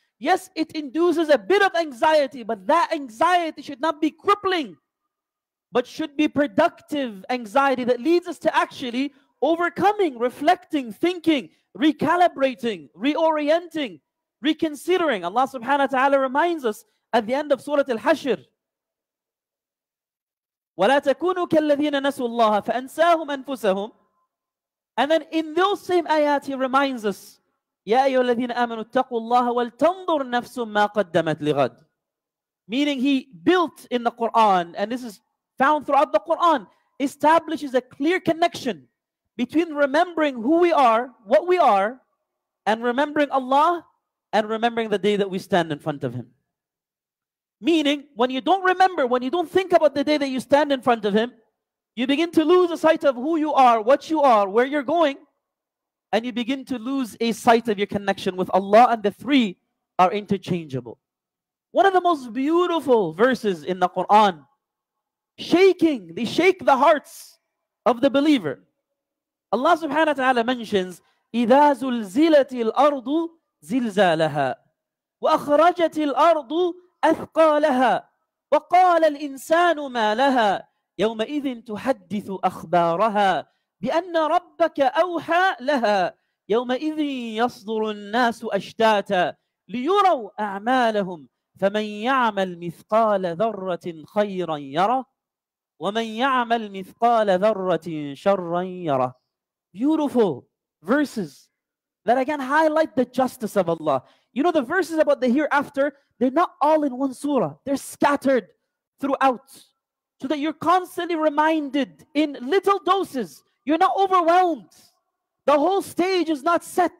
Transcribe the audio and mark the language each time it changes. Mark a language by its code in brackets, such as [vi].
[en] Yes, it induces a bit of anxiety, but that anxiety should not be crippling, but should be productive anxiety that leads us to actually overcoming, reflecting, thinking, recalibrating, reorienting, reconsidering. Allah subhanahu wa ta'ala reminds us at the end of Surah Al-Hashr, [ar] وَلَا تَكُونُوا كَالَّذِينَ نَسُوا اللَّهَ فَأَنْسَاهُمْ أَنفُسَهُمْ. [en] And then in those same ayat, He reminds us, [ar] يَا أَيُّهَا الَّذِينَ آمَنُوا اتَّقُوا اللَّهَ وَلْتَنْظُرْ نَفْسٌ مَّا قَدَّمَتْ لِغَدٍ. [en] Meaning He built in the Quran, and this is found throughout the Quran, establishes a clear connection between remembering who we are, what we are, and remembering Allah, and remembering the day that we stand in front of Him. Meaning, when you don't remember, when you don't think about the day that you stand in front of Him, you begin to lose a sight of who you are, what you are, where you're going, and you begin to lose a sight of your connection with Allah, and the three are interchangeable. One of the most beautiful verses in the Quran, shaking, they shake the hearts of the believer. Allah subhanahu wa ta'ala mentions, [ar] إِذَا زُلْزِلَتِ الْأَرْضُ زِلْزَالَهَا وَأَخْرَجَتِ الْأَرْضُ أَثْقَالَهَا وَقَالَ الْإِنسَانُ مَا لَهَا يَوْمَئِذٍ تُحَدِّثُ أَخْبَارَهَا بِأَنَّ رَبَّكَ أَوْحَى لَهَا يَوْمَئِذٍ يَصْدُرُ النَّاسُ أَشْتَاتًا لِيُرَوْا أَعْمَالَهُمْ فَمَنْ يَعْمَلْ مِثْقَالَ ذَرَّةٍ خَيْرًا يَرَهُ وَمَنْ يَعْمَلْ مِثْقَالَ ذَرَّةٍ شَرًّا يَرَهُ. [en] Beautiful verses that again highlight the justice of Allah. You know, the verses about the hereafter, they're not all in one surah. They're scattered throughout, so that you're constantly reminded in little doses. You're not overwhelmed. The whole stage is not set.